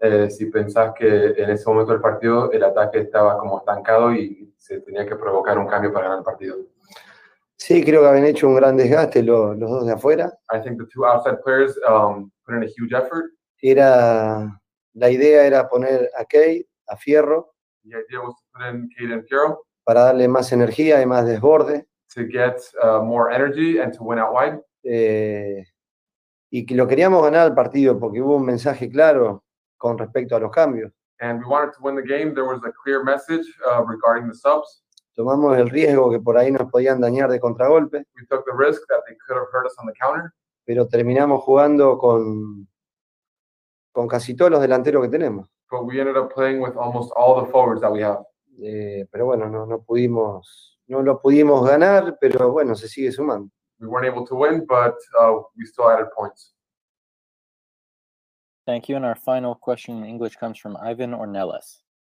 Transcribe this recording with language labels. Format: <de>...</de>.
<es>Si pensás que en ese momento del partido el ataque estaba como estancado y se tenía que provocar un cambio para ganar el partido. Sí, creo que habían hecho un gran desgaste los dos de afuera.</es> <en>I think the two outside players put in a huge effort.</en> <es>La idea era poner a Kate a Fierro.</es> <en>The idea was to put in Kate and Fierro.</en> <es>Para darle más energía y más desborde.</es> <en>To get more energy and to win out wide.</en> <es>Y que lo queríamos ganar el partido porque hubo un mensaje claro con respecto a los cambios.</es> <en>And we wanted to win the game. There was a clear message regarding the subs.</en> <es>Tomamos el riesgo que por ahí nos podían dañar de contragolpe.</es> <en>We took the risk that they could have hurt us on the counter.</en> <es>Pero terminamos jugando con casi todos los delanteros que tenemos.</es> <en>But we ended up playing with almost all the forwards that we have.</en> <es>Pero bueno, no lo pudimos ganar, pero bueno, se sigue sumando.</es> <en>We weren't able to win, but we still added points. Thank you. And our final question in English comes from Ivan Ornelas.</en>